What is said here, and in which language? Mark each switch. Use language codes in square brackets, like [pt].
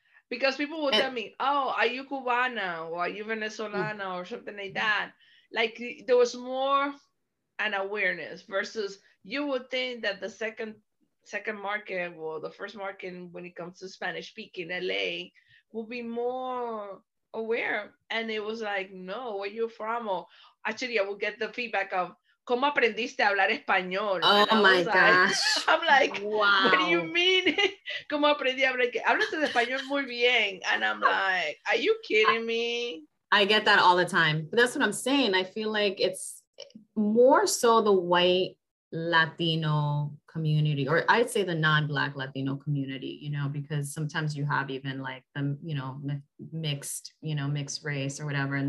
[en] Because people would tell me, oh, are you Cubana or are you Venezolana or something like that? Like there was more an awareness versus you would think that the second market, well, the first market when it comes to Spanish speaking LA will be more aware. And it was like, no, where you from? Or actually I would get the feedback of, [es] ¿cómo aprendiste a hablar español? [en] Oh my gosh. Like, I'm like, wow. What do you mean? [es] ¿Cómo aprendí a hablar? Hablas de español muy bien. [en] And I'm like, are you kidding me? I get that all the time. But that's what I'm saying. I feel like it's more so the white Latino community, or I'd say the non-Black Latino community, you know, because sometimes you have even like the, you know, mixed, you know, mixed race or whatever.